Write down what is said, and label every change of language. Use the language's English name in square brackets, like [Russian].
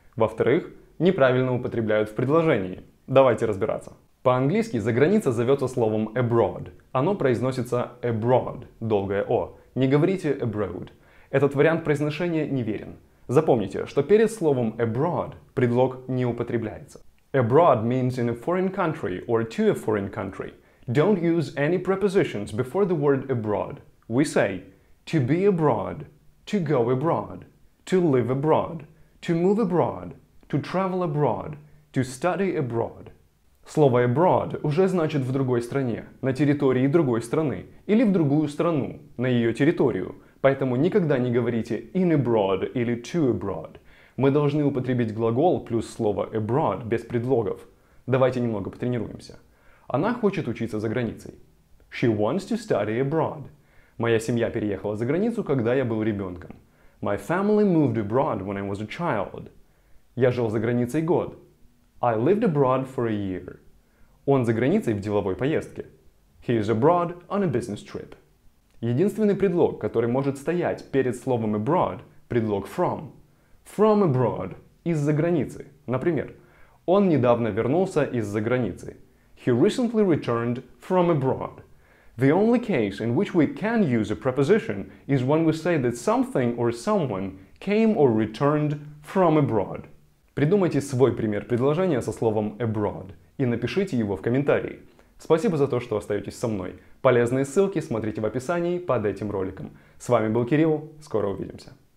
[Russian] Во-вторых, неправильно употребляют в предложении. Давайте разбираться. По-английски «заграница» зовется словом «abroad». Оно произносится «abroad», долгое «о». Не говорите «abroad». Этот вариант произношения неверен. Запомните, что перед словом abroad предлог не употребляется. [English] Abroad means in a foreign country or to a foreign country. Don't use any prepositions before the word abroad. We say to be abroad, to go abroad, to live abroad, to move abroad, to travel abroad, to study abroad. [Russian] Слово abroad уже значит в другой стране, на территории другой страны, или в другую страну, на ее территорию. Поэтому никогда не говорите [English] in abroad [Russian] или [English] to abroad. [Russian] Мы должны употребить глагол плюс слово abroad без предлогов. Давайте немного потренируемся. Она хочет учиться за границей. [English] She wants to study abroad. [Russian] Моя семья переехала за границу, когда я был ребенком. [English] My family moved abroad when I was a child. [Russian] Я жил за границей год. [English] I lived abroad for a year. [Russian] Он за границей в деловой поездке. [English] He is abroad on a business trip. [Russian] Единственный предлог, который может стоять перед словом abroad, предлог from. [English] From abroad, [Russian] из-за границы. Например, он недавно вернулся из-за границы. [English] He recently returned from abroad. The only case in which we can use a preposition is when we say that something or someone came or returned from abroad. [Russian] Придумайте свой пример предложения со словом abroad и напишите его в комментарии. Спасибо за то, что остаетесь со мной. Полезные ссылки смотрите в описании под этим роликом. С вами был Кирилл, скоро увидимся.